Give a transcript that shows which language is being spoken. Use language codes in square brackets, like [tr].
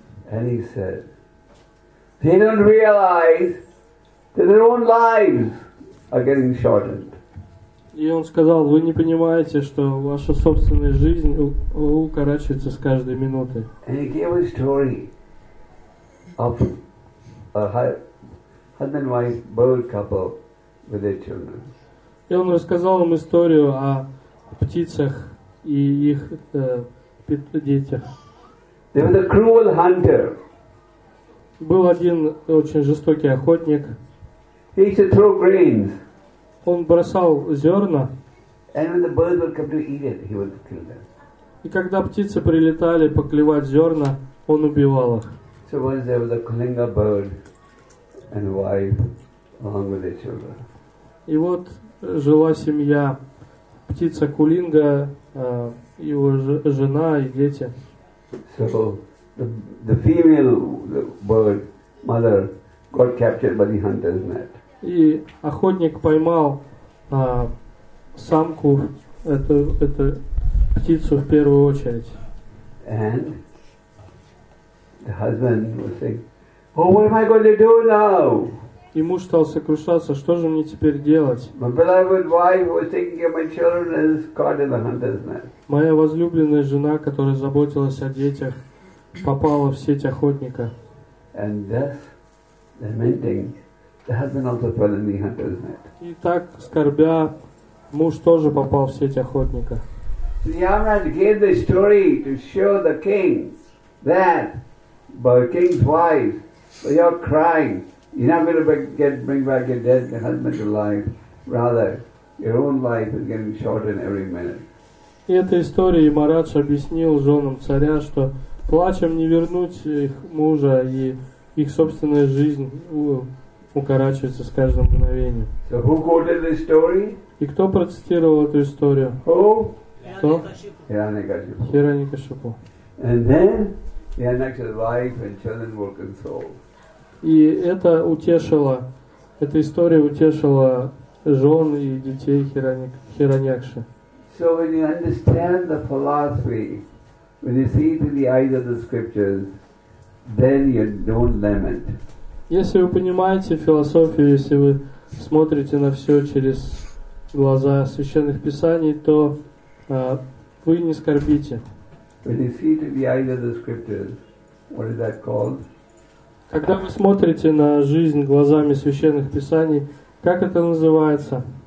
[en] And he said, "They don't realize that their own lives are getting shortened." [ru] И он сказал: "Вы не понимаете, что ваша собственная жизнь укорачивается с каждой минуты." [en] And he gave a story of a husband-wife bird couple with their children. [ru] И он рассказал им историю о птицах и их детях. [en] There was a cruel hunter. [ru] Был один очень жестокий охотник. [en] He used to throw grains. [ru] Он бросал зерна. [en] And when the birds would come to eat it, he would kill them. [ru] И когда птицы прилетали поклевать зерна, он убивал их. [en] So once there was a Kalinga bird and wife along with their children. [ru] И вот жила семья, птица Кулинга, его жена и дети. [en] So the female bird mother got captured by the hunter's net. [ru] И охотник поймал самку, эту птицу в первую очередь. [en] And the husband was saying, "Oh, what am I going to do now?" [ru] И муж стал сокрушаться, что же мне теперь делать? [en] My beloved wife was taking care of my children is caught in the hunter's net. [ru] Моя возлюбленная жена, которая заботилась о детях, попала в сеть охотника. [en] And thus, lamenting, the husband also fell in the hunter's net. [ru] И так, скорбя, муж тоже попал в сеть охотника. [en] So Yamraj gave this story to show the king that but king's wife, but you're crying. You're not going to bring back your dead husband to life. Rather, your own life is getting shortened every minute. [ru] И эта история, Ямарадж объяснил женам царя, что плачем не вернуть их мужа, и их собственная жизнь укорачивается с каждым мгновением. [en] So who quoted this story? [ru] И кто процитировал эту историю? [en] Who? [ru] Кто? Хиранякашипу. Хиранякашипу. [en] And then the Yamraj's wife and children were consoled. [ru] И это утешило, эта история утешила жен и детей Хиранякши. [en] So when you understand the philosophy, when you see through the eyes of the scriptures, then you don't lament. [ru] Если вы понимаете философию, если вы смотрите на все через глаза священных писаний, то вы не скорбите. [en] When you see through the eyes of the scriptures, what is that called? [ru] Когда вы смотрите на жизнь глазами священных писаний, как это называется?